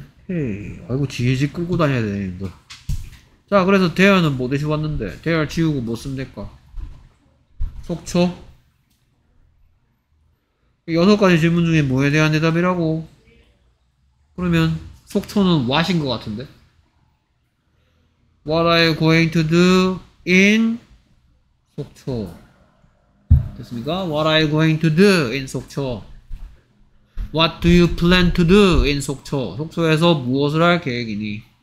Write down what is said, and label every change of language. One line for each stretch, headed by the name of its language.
Korean: 헤이, 아이고 지지 끌고 다녀야 되네 이거. 자 그래서 대열는 뭐 대신 왔는데 대열 지우고 뭐 쓰면 될까? 속초? 여섯 가지 질문 중에 뭐에 대한 대답이라고? 그러면 속초는 what인 것 같은데?
English: What are you going to do in 속초?
Korean: 됐습니까?
English: What are you going to do in 속초? What do you plan to do in 속초?
Korean: 속초에서 무엇을 할 계획이니?